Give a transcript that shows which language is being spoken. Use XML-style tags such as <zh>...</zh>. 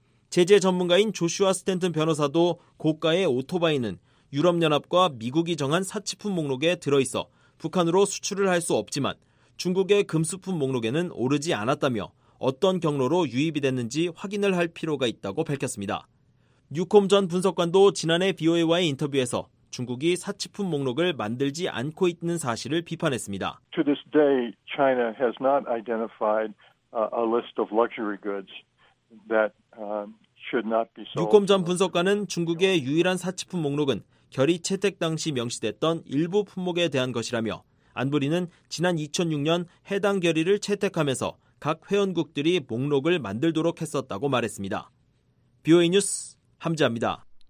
<ko>제재 전문가인 조슈아 스탠튼 변호사도 고가의 오토바이는 유럽연합과 미국이 정한 사치품 목록에 들어있어 북한으로 수출을 할 수 없지만 중국의 금수품 목록에는 오르지 않았다며 어떤 경로로 유입이 됐는지 확인을 할 필요가 있다고 밝혔습니다. 뉴콤 전 분석관도 지난해 BOA와의 인터뷰에서 중국이 사치품 목록을 만들지 않고 있는 사실을 비판했습니다.</ko> <en>To this day, China has not identified a list of luxury goods that should not be sold.</en> <ko>뉴콤 전 분석관은 중국의 유일한 사치품 목록은 결의 채택 당시 명시됐던 일부 품목에 대한 것이라며 안보리는 지난 2006년 해당 결의를 채택하면서 각 회원국들이 목록을 만들도록 했었다고 말했습니다. BOA 뉴스 함지아입니다.</ko>